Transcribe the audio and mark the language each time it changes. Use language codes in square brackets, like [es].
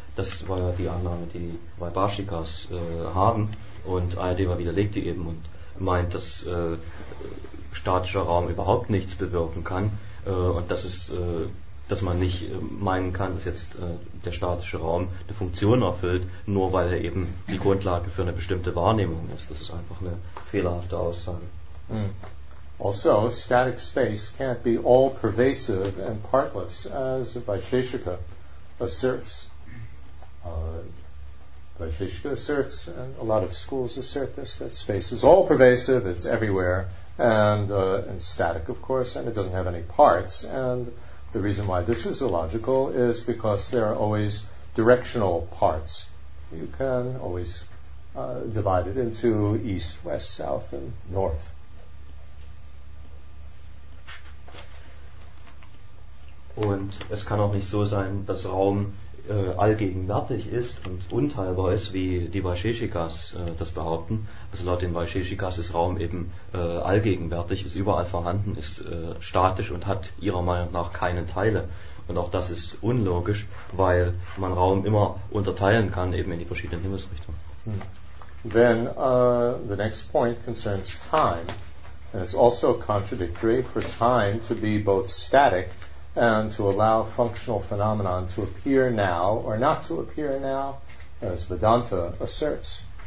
[de] Das war ja die Annahme, die Vaibhashikas haben, und Aryadeva widerlegt die eben und meint, dass statischer Raum überhaupt nichts bewirken kann, und dass man nicht meinen kann, dass jetzt der statische Raum eine Funktion erfüllt, nur weil er eben die Grundlage für eine bestimmte Wahrnehmung ist. Das ist einfach eine fehlerhafte Aussage. [en] Also, static space can't be all pervasive and partless, as Vaisheshika asserts. Vaisheshika asserts, and a lot of schools assert this, that space is all pervasive, it's everywhere, and static, of course, and it doesn't have any parts. And the reason why this is illogical is because there are always directional parts. You can always divide it into east, west, south, and north. [de] Und es kann auch nicht so sein, dass Raum allgegenwärtig ist und unteilbar ist, wie die Vaisheshikas das behaupten. Also laut den Vaisheshikas ist Raum eben allgegenwärtig, ist überall vorhanden, ist statisch und hat ihrer Meinung nach keine Teile. Und auch das ist unlogisch, weil man Raum immer unterteilen kann, eben in die verschiedenen Himmelsrichtungen. [en] Then the next point concerns time. And it's also contradictory for time to be both static and to allow functional phenomena to appear now or not to appear now, as Vedanta asserts.